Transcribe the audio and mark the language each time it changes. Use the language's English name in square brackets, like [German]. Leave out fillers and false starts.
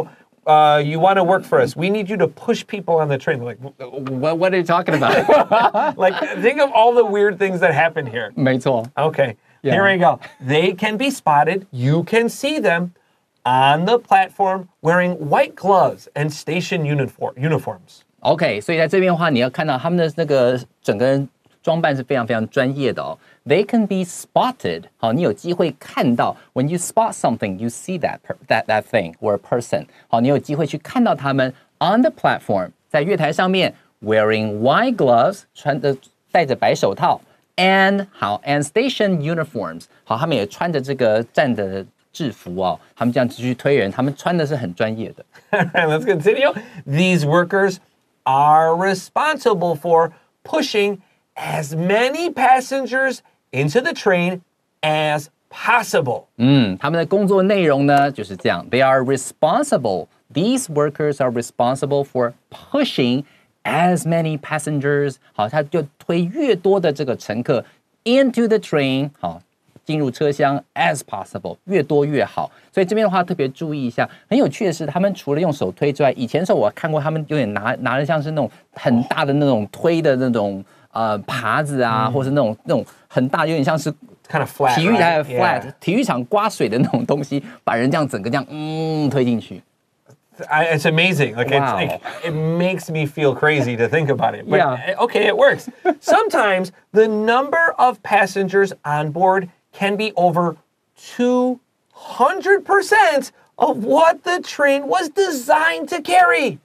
[English] You want to work for us. We need you to push people on the train. Like, what are you talking about? Like, think of all the weird things that happen here. [Chinese] 没错 [English] Okay,、yeah. here we go. They can be spotted. You can see them on the platform wearing white gloves and station uniforms. [Chinese] Okay, 所以在这边的话你要看到他们的那个整个装扮是非常非常专业的哦。 [English] They can be spotted. [Chinese] 好，你有机会看到。 [English] When you spot something, you see that thing or a person. [Chinese] 好，你有机会去看到他们 [English] on the platform, [Chinese] 在月台上面 [English] wearing white gloves, [Chinese] 穿着戴着白手套 and 好 [English] and station uniforms. [Chinese] 好，他们也穿着这个站的制服哦。他们这样子去推人，他们穿的是很专业的。 [English] All right, let's continue. These workers are responsible for pushing. As many passengers into the train as possible. [Chinese] 他们的工作内容呢就是这样。 [English] They are responsible. These workers are responsible for pushing as many passengers. [Chinese] 好，他就推越多的这个乘客 [English] into the train. [Chinese] 好，进入车厢 [English] as possible. [Chinese] 越多越好。所以这边的话特别注意一下。很有趣的是，他们除了用手推之外，以前的时候我看过他们有点拿的像是那种很大的那种推的那种。耙子啊、mm-hmm. 或是那种很大有点像是 [English] kind of flat, [Chinese] 体育台的 flat、 [English] right? [Chinese] yeah. 体育场刮水的那种东西把人这样整个这样推进去 [English] It's amazing like,、 wow. it's, like, It makes me feel crazy to think about it But、 yeah. okay, it works Sometimes the number of passengers on board can be over 200%of what the train was designed to carry